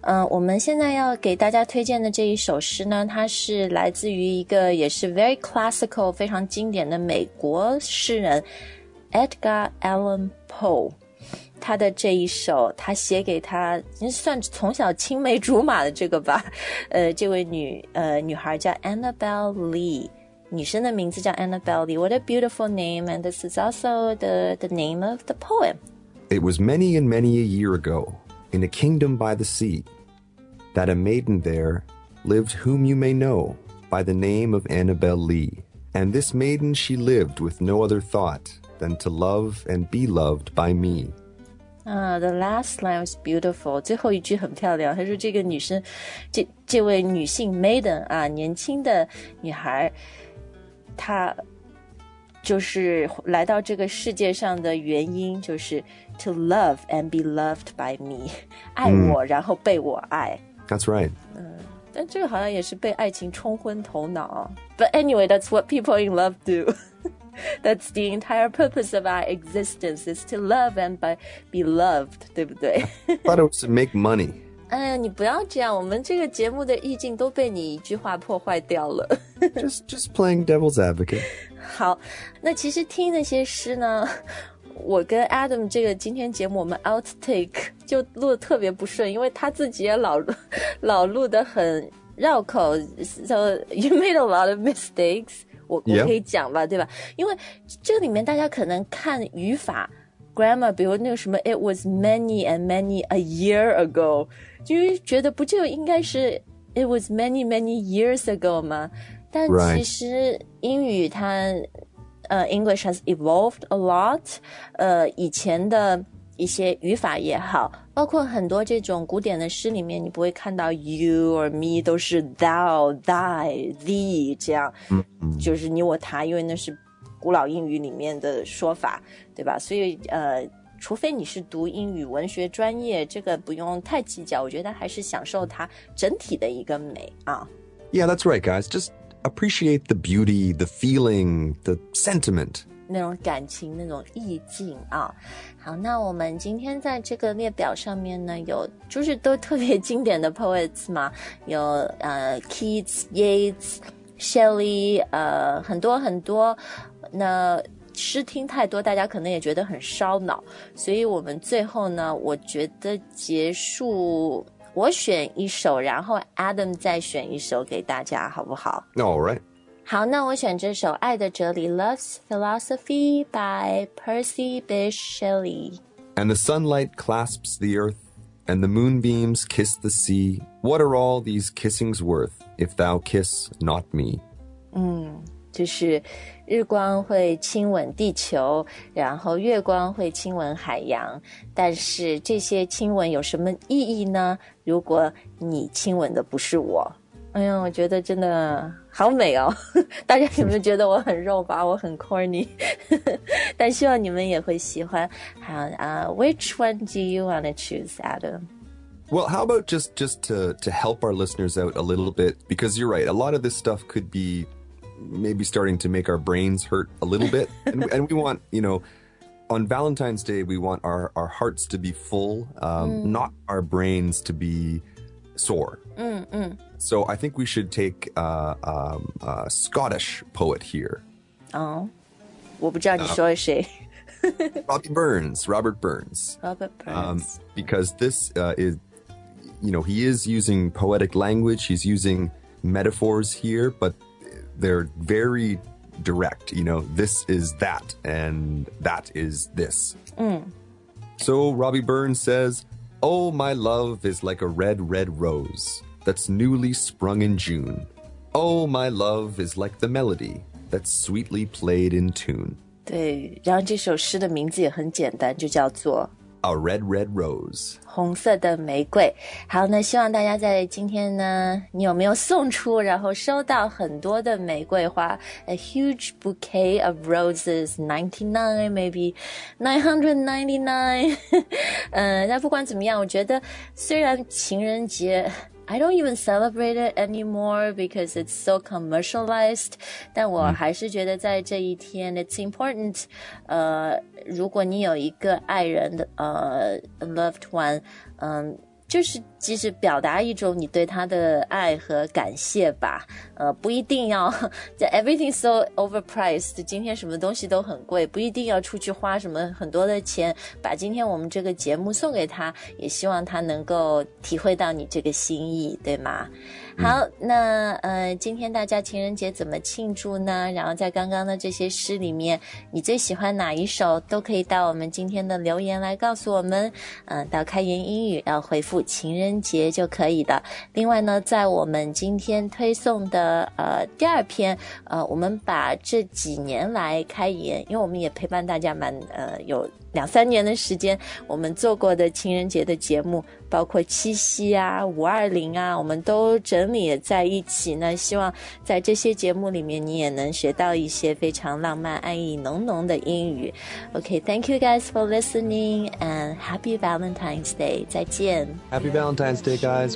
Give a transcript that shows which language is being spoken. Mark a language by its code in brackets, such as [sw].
[zh] 我们现在要给大家推荐的这一首诗呢，它是来自于一个也是 [en] very classical [zh] 非常经典的美国诗人 Edgar Allan Poe, 他的这一首，他写给他算从小青梅竹马的这个吧，这位女孩叫 Annabel Lee, 女生的名字叫 Annabel Lee. [en] What a beautiful name, and this is also the name of the poem. It was many and many a year agoIn a kingdom by the sea, that a maiden there lived whom you may know by the name of Annabel Lee. And this maiden she lived with no other thought than to love and be loved by me. The last line was beautiful. [zh] 最后一句很漂亮。她说这个女生，这位女性 maiden 啊，年轻的女孩，她就是来到这个世界上的原因就是 [en] To love and be loved by me. [zh] 爱我然后被我爱。 [en] That's right. [zh] 但这个好像也是被爱情冲昏头脑。 [en] But anyway, that's what people in love do. That's the entire purpose of our existence, is to love and be loved, [zh] 对不对? [en] I thought it was to make money. [zh] 你不要这样，我们这个节目的意境都被你一句话破坏掉了。 [en] just playing devil's advocate. [zh] 好，那其实听那些诗呢，我跟 Adam 这个今天节目我们 outtake 就录得特别不顺，因为他自己也老录得很绕口， [en] so you made a lot of mistakes, [zh] 我可以讲吧，对吧？因为这里面大家可能看语法 grammar, 比如那个什么 [en] it was many and many a year ago, [zh] 就觉得不就应该是 [en] it was many many years ago [zh] 吗？但其实英语它 [en] English has evolved a lot, [zh] 以前的一些语法也好，包括很多这种古典的诗里面，你不会看到 you or me 都是 thou, thy, thee 这样，就是你我他，因为那是古老英语里面的说法，对吧？所以除非你是读英语文学专业，这个不用太计较，我觉得还是享受它整体的一个美啊。 [en] Yeah, that's right, guys. Just... appreciate the beauty, the feeling, the sentiment. [zh] 那种感情，那种意境啊。好，那我们今天在这个列表上面呢，有就是都特别经典的 poets 嘛，有Keats, Yeats, Shelley, 很多很多。那诗听太多，大家可能也觉得很烧脑，所以我们最后呢，我觉得结束，我选一首，然后 Adam 再选一首给大家，好不好？ [en] All right. [zh] 好，那我选这首《爱的哲理》Love's Philosophy by Percy Bysshe Shelley. [en] And the sunlight clasps the earth, and the moonbeams kiss the sea. What are all these kissings worth if thou kiss not me? [zh] 就是日光会亲吻地球，然后月光会亲吻海洋，但是这些亲吻有什么意义呢？如果你亲吻的不是我。哎呀，我觉得真的好美哦！大家有没有觉得我很肉吧？我很 corny， 但希望你们也会喜欢。好啊、， [en] Which one do you want to choose, Adam? Well, how about just to help our listeners out a little bit? Because you're right, a lot of this stuff could be maybe starting to make our brains hurt a little bit. and we want, you know, on Valentine's Day, we want our hearts to be full, not our brains to be sore. So I think we should take a Scottish poet here. [zh] Oh, 我不知道你说的谁。 [en] Robert Burns. Robert Burns. Because this is... You know, he is using poetic language, he's using metaphors here, but they're very direct. You know, this is that, and that is this. So Robbie Burns says, Oh, my love is like a red, red rose that's newly sprung in June. Oh, my love is like the melody that's sweetly played in tune. [zh] 对，然后这首诗的名字也很简单，就叫做 [en] A red, red rose. [zh] 红色的玫瑰。好，那希望大家在今天呢，你有没有送出，然后收到很多的玫瑰花 ？ [en] A huge bouquet of roses, 99 maybe, 999. [zh] 那不管怎么样，我觉得虽然情人节。 [en] I don't even celebrate it anymore because it's so commercialized. [zh] 但我还是觉得在这一天 [en] it's important. [zh] 如果你有一个爱人的loved one, 就是即使表达一种你对他的爱和感谢吧。不一定要 [en] everything's so overpriced. [zh] 今天什么东西都很贵，不一定要出去花什么很多的钱把今天我们这个节目送给他，也希望他能够体会到你这个心意，对吗？好，那今天大家情人节怎么庆祝呢？然后在刚刚的这些诗里面，你最喜欢哪一首？都可以到我们今天的留言来告诉我们。到开言英语要回复情人节就可以的。另外呢，在我们今天推送的第二篇，我们把这几年来开言，因为我们也陪伴大家蛮有两三年的时间，我们做过的情人节的节目，包括七夕啊、520啊，我们都整理在一起。那希望在这些节目里面，你也能学到一些非常浪漫、爱意浓浓的英语。 [en] Okay, thank you guys for listening and happy Valentine's Day. [zh] 再见。 [en] Happy Valentine's Day, guys.